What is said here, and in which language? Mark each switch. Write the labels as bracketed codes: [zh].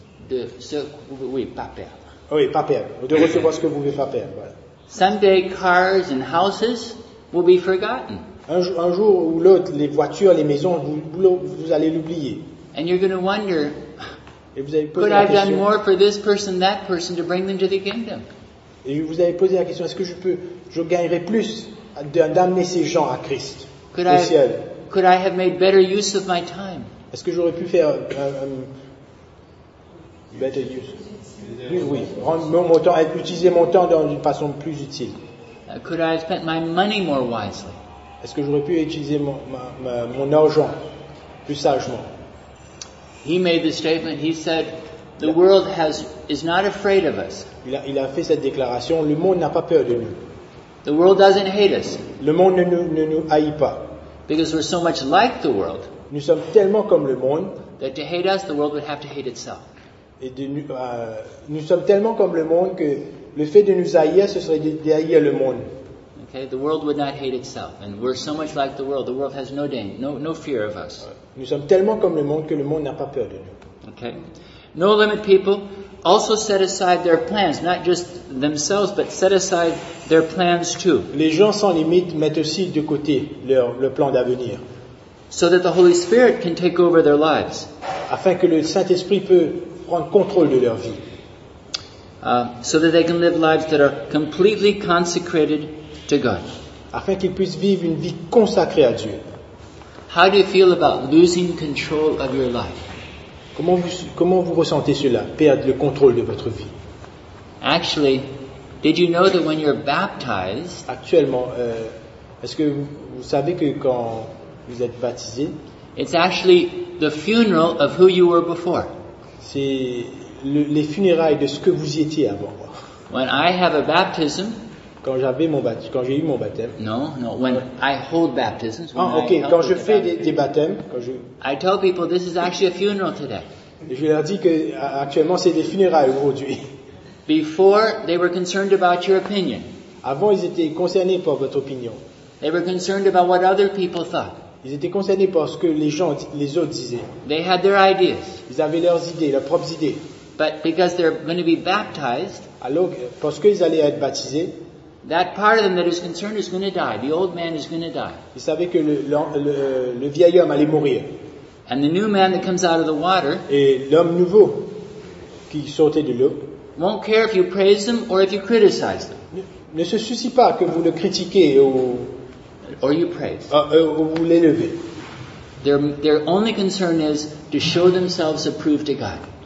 [fr] De ce que vous pouvez pas perdre. Oui, pas perdre. De recevoir ce que vous pouvez pas perdre. Voilà. [en] Someday cars and houses will be forgotten. [fr] Un jour ou l'autre, les voitures, les maisons, vous allez l'oublier. [en] And you're going to wonder. [fr] Et vous avez posé [en] could [fr] la question. [en] Could I have done more for this person, that person, to bring them to the kingdom? [fr] Et vous avez posé la question. Est-ce que je gagnerais plus d'amener ces gens à Christ, au ciel? [en] Could I have made better use of my time? [fr] Est-ce que j'aurais pu faire [en] better use? [fr] Oui, utiliser mon temps d'une façon plus utile. [en] Could I have spent my money more wisely? [fr] Est-ce que j'aurais pu utiliser mon argent plus sagement? [en] He made the statement. He said, "The world is not afraid of us." [fr] Il a fait cette déclaration. Le monde n'a pas peur de nous. [en] The world doesn't hate us. [fr] Le monde ne nous haït pas. [en] Because we're so much like the world. [fr] Nous sommes tellement comme le monde. [en] That to hate us, the world would have to hate itself. [fr] Et nous sommes tellement comme le monde que le fait de nous haïr, ce serait de haïr le monde. [en] Okay, the world would not hate itself, and we're so much like the world. The world has no danger, no fear of us. [fr] Nous sommes tellement comme le monde que le monde n'a pas peur de nous. [en] Okay, No Limit people also set aside their plans, not just themselves, but set aside their plans too. [fr] Les gens sans limite mettent aussi de côté leur plan d'avenir. [en] So that the Holy Spirit can take over their lives. [fr] Afin que le Saint-Esprit peut prendre contrôle de leur vie. [en] So that they can live lives that are completely consecrated to God. [fr] Afin qu'ils puissent vivre une vie consacrée à Dieu. [en] How do you feel about losing control of your life? [fr] Comment vous ressentez cela, perdre le contrôle de votre vie? [en] Actually, did you know that when you're baptized? [fr] Actuellement, est-ce que vous savez que quand vous êtes baptisé? [en] It's actually the funeral of who you were before. [fr] C'est les funérailles de ce que vous étiez avant. [en] When I have a baptism. [fr] Quand j'ai eu mon baptême. [en] No. When I hold baptisms. [fr] Quand je fais des baptêmes. Quand je. [en] I tell people this is actually a funeral today. [fr] Je leur dis que actuellement c'est des funérailles aujourd'hui. [en] Before they were concerned about your opinion. [fr] Avant ils étaient concernés par votre opinion. [en] They were concerned about what other people thought. [fr] Ils étaient concernés par ce que les autres disaient. [en] They had their ideas. [fr] Ils avaient leurs idées, leurs propres idées. [en] But because they're going to be baptized. [fr] Alors parce qu'ils allaient être baptisés. [en] That part of them that is concerned is going to die. The old man is going to die. [fr] Il savait que le vieil homme allait mourir. [en] And the new man that comes out of the water. [fr] Et l'homme nouveau qui sortait de l'eau. [en] Won't care if you praise them or if you criticize them. [fr] Ne se soucie pas que vous le critiquez ou. [en] Or you praise. [fr] Ou vous l'élevez. [en] Their only concern is to show themselves approved to God.